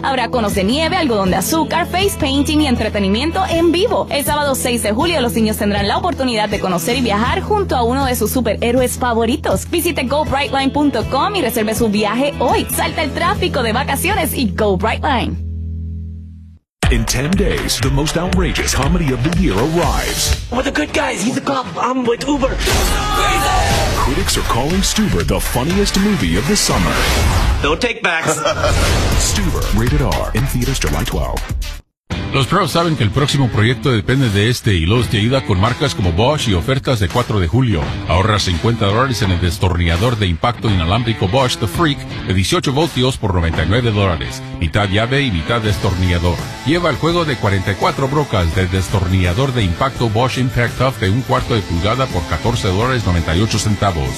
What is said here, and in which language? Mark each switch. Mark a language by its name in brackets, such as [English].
[Spanish] Habrá conos de nieve, algodón de azúcar, face painting y entretenimiento en vivo. El sábado 6 de julio los niños tendrán la oportunidad de conocer y viajar junto a uno de sus superhéroes favoritos. Visite GoBrightline.com y reserve su viaje hoy. Salta el tráfico de vacaciones y Go Brightline. [English] In 10 days, the most outrageous comedy of the year arrives. We're the good guys. He's a cop. I'm with Uber. Critics are calling Stuber the funniest movie of the summer. No take backs. Stuber, rated R, in theaters July 12. [Spanish] Los pros saben que el próximo proyecto depende de este y los te ayuda con marcas como Bosch y ofertas de 4 de julio. Ahorra $50 en el destornillador de impacto inalámbrico Bosch The Freak de 18 voltios por $99. Mitad llave y mitad destornillador. Lleva el juego de 44 brocas de destornillador de impacto Bosch Impact Tough de 1/4 pulgada por $14.98.